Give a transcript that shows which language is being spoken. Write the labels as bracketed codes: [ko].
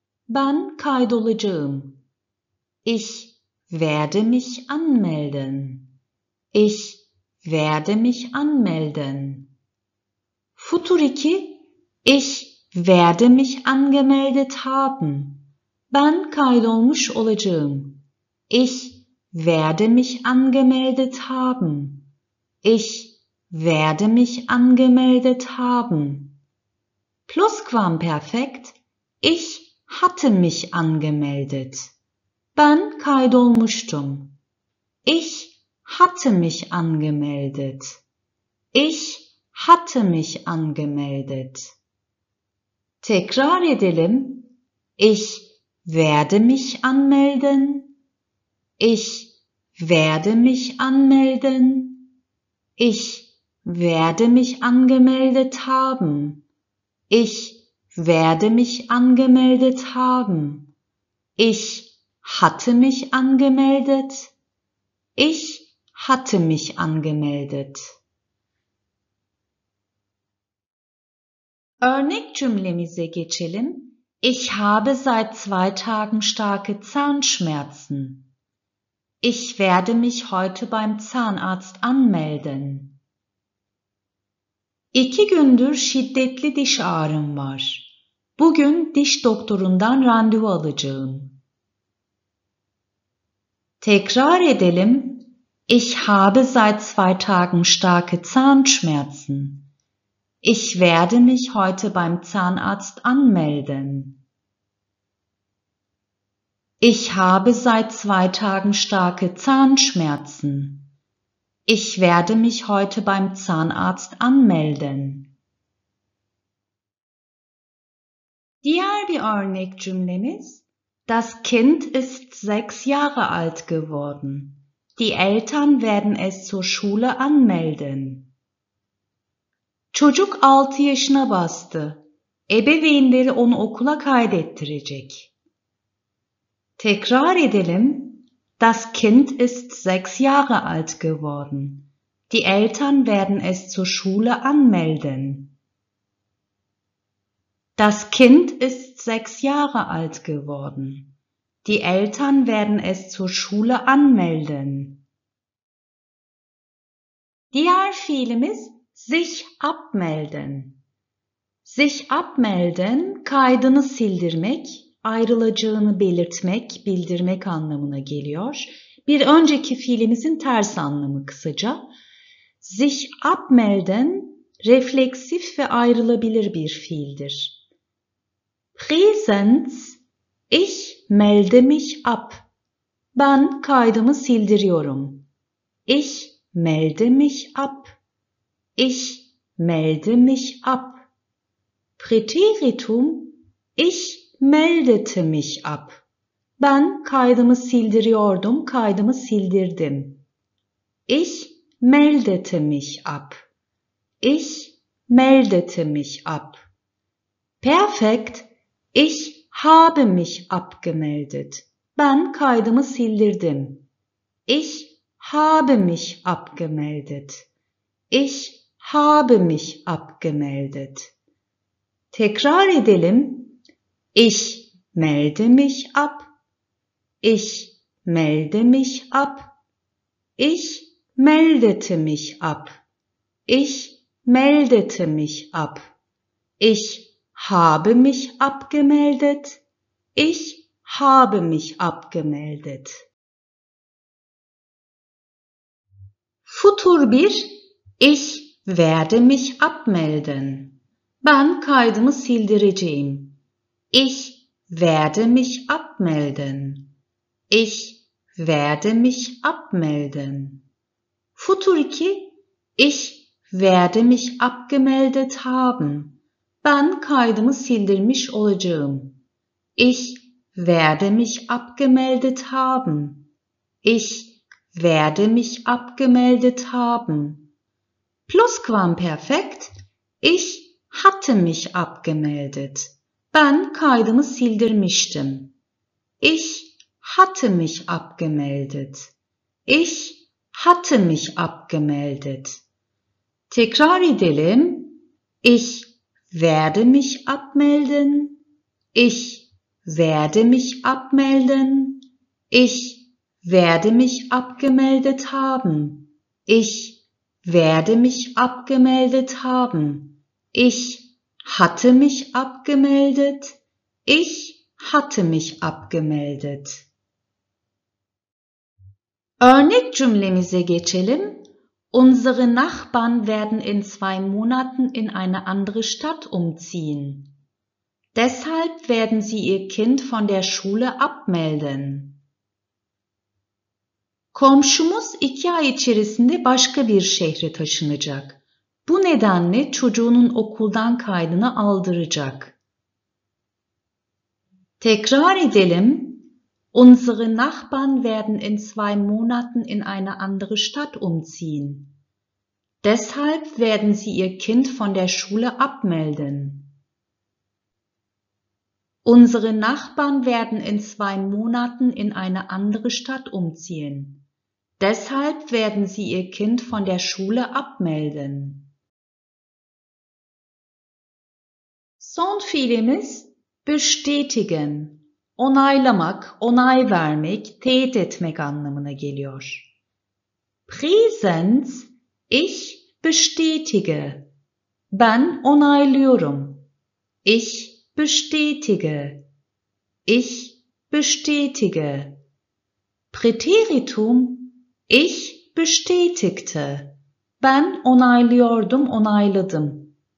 [tr] Ben kaydolacağım. [de] Ich werde mich anmelden. Ich werde mich anmelden. Futur 2. Ich werde mich angemeldet haben. [tr] Ben kaydolmuş olacağım. [de] Ich werde mich angemeldet haben. Ich werde mich angemeldet haben. Plusquamperfekt. Ich hatte mich angemeldet. [tr] Ben kaydolmuştum. [de] Ich hatte mich angemeldet. Ich hatte mich angemeldet. [tr] Tekrar edelim. [de] Ich werde mich anmelden. Ich werde mich anmelden. Ich werde mich angemeldet haben. Ich werde mich angemeldet haben. Ich hatte mich angemeldet. Ich hatte mich angemeldet. [tr] Örnek cümlemize geçelim. [de] Ich habe seit 2 Tagen starke Zahnschmerzen. Ich werde mich heute beim Zahnarzt anmelden. [tr] 2 gündür şiddetli diş ağrım var. Bugün diş doktorundan randevu alacağım. Tekrar edelim. [de] Ich habe seit 2 Tagen starke Zahnschmerzen. Ich werde mich heute beim Zahnarzt anmelden. Ich habe seit 2 Tagen starke Zahnschmerzen. Ich werde mich heute beim Zahnarzt anmelden. [tr] Diğer bir örnek cümlemiz. [de] Das Kind ist 6 Jahre alt geworden. Die Eltern werden es zur Schule anmelden. [tr] Çocuk 6 yaşına bastı. Ebeveynleri onu okula kaydettirecek. Tekrar edelim. [de] Das Kind ist 6 Jahre alt geworden. Die Eltern werden es zur Schule anmelden. Das Kind ist 6 Jahre alt geworden. Die Eltern werden es zur Schule anmelden. [tr] Diğer fiilimiz sich abmelden. Sich abmelden, kaydını sildirmek, ayrılacağını belirtmek, bildirmek anlamına geliyor. Bir önceki fiilimizin ters anlamı kısaca. Sich abmelden, refleksif ve ayrılabilir bir fiildir. [de] Präsenz, ich melde mich ab. [tr] Ben kaydımı sildiriyorum. [de] Ich melde mich ab. Ich melde mich ab. Präteritum, ich meldete mich ab. [tr] Ben kaydımı sildiriyordum, kaydımı sildirdim. [de] Ich meldete mich ab. Ich meldete mich ab. Perfekt, ich habe mich abgemeldet. [tr] Ben kaydımı sildirdim. [de] Ich habe mich abgemeldet. Ich habe mich abgemeldet. [tr] Tekrar edelim. [de] Ich melde mich ab. Ich melde mich ab. Ich meldete mich ab. Ich meldete mich ab. Ich habe mich abgemeldet. Ich habe mich abgemeldet. Futur 1. Ich werde mich abmelden. [tr] Ben kaydımı sildireceğim. [de] Ich werde mich abmelden. Ich werde mich abmelden. Futur 2. Ich werde mich abgemeldet haben. [tr] Ben kaydımı sildirmiş olacağım. [de] Ich werde mich abgemeldet haben. Ich werde mich abgemeldet haben. Plusquamperfekt. Ich hatte mich abgemeldet. [tr] Ben kaydımı sildirmiştim. [de] Ich hatte mich abgemeldet. Ich hatte mich abgemeldet. [tr] Tekrar edelim. [de] Ich Werde mich abmelden. Ich werde mich abmelden. Ich werde mich abgemeldet haben. Ich werde mich abgemeldet haben. Ich hatte mich abgemeldet. Ich hatte mich abgemeldet. [tr] Örnek cümlemize geçelim. [de] Unsere Nachbarn werden in 2 Monaten in eine andere Stadt umziehen. Deshalb werden sie ihr Kind von der Schule abmelden. [tr] Komşumuz 2 ay içerisinde başka bir şehre taşınacak. Bu nedenle çocuğunun okuldan kaydını aldıracak. Tekrar edelim. [de] Unsere Nachbarn werden in 2 Monaten in eine andere Stadt umziehen. Deshalb werden sie ihr Kind von der Schule abmelden. Unsere Nachbarn werden in 2 Monaten in eine andere Stadt umziehen. Deshalb werden sie ihr Kind von der Schule abmelden. [tr] Son fiilimiz bestätigen, onaylamak, onay vermek, teyit etmek anlamına geliyor. [de] Präsens, ich bestätige. [tr] Ben onaylıyorum. [de] Ich bestätige. Ich bestätige. Präteritum, ich bestätigte. [tr] Ben onaylıyordum, onayladım.